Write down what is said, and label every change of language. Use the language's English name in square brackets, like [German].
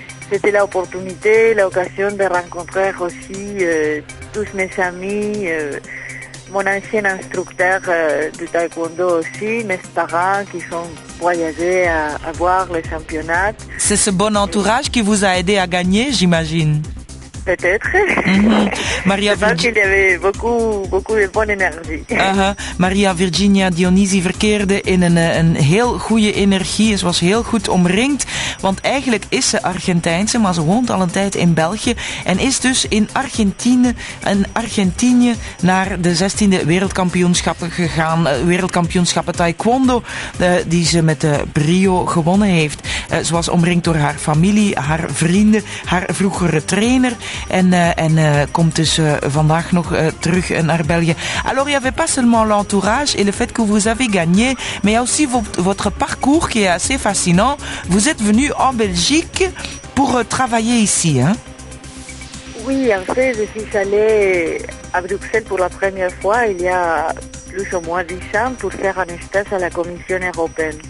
[French] C'était l'opportunité, l'occasion de rencontrer aussi tous mes amis, mon ancien instructeur de taekwondo aussi, mes parents qui sont voyagés à voir le championnat. C'est ce bon entourage qui vous a aidé à gagner, j'imagine. Peut-être. Maria Je pense qu'il y avait beaucoup de bonne énergie. [Dutch] Maria Virginia Dionisi verkeerde in een heel goede energie. Ze was heel goed omringd. Want eigenlijk is ze Argentijnse, maar ze woont al een tijd in België. En is dus in Argentinië naar de 16e wereldkampioenschappen gegaan. Wereldkampioenschappen taekwondo, die ze met brio gewonnen heeft. Ze was omringd door haar familie, haar vrienden, haar vroegere trainer. En komt dus vandaag nog terug naar België. [French] Alors, il n'y avait pas seulement l'entourage et le fait que vous avez gagné, mais il y a aussi votre parcours qui est assez fascinant. Vous êtes venu en Belgique pour travailler ici, hein? Oui, en fait, je suis allée à Bruxelles pour la première fois il y a plus ou moins 10 ans pour faire un stage à la Commission européenne.